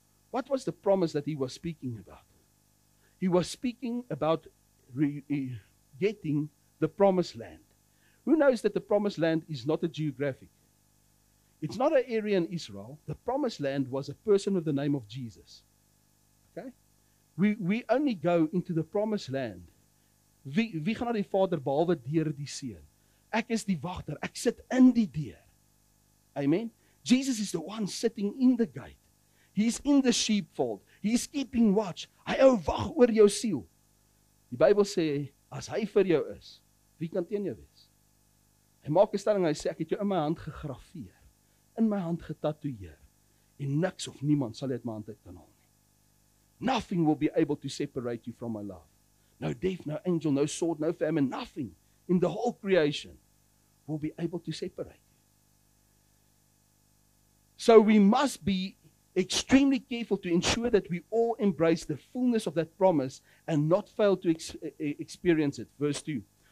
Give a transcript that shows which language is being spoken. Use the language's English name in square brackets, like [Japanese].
[English] What was the promise that he was speaking about? He was speaking about getting the promised land. Who knows that the promised land is not a geographic? It's not an area in Israel. The promised land was a person of the name of Jesus. Okay? We only go into the promised land. [Afrikaans] Wie gaan na die Vader behalwe deur die Seun? Ek is die wagter. Ek sit in die deur. Amen. [English] Jesus is the one sitting in the gate. He's in the sheepfold. He's keeping watch. [Afrikaans] Hy hou wag oor jou siel. Die Bybel sê as hy vir jou is, wie kan teen jou wees? Hy maak 'n stelling, hy sê ek het jou in my hand gegraveer, in my hand getatoeëer. En niks of niemand sal uit my hand uit kan haal nie. [English] Nothing will be able to separate you from my love. No death, no angel, no sword, no famine, nothing in the whole creation will be able to separate. So we must be extremely careful to ensure that we all embrace the fullness of that promise and not fail to experience it. Verse 2.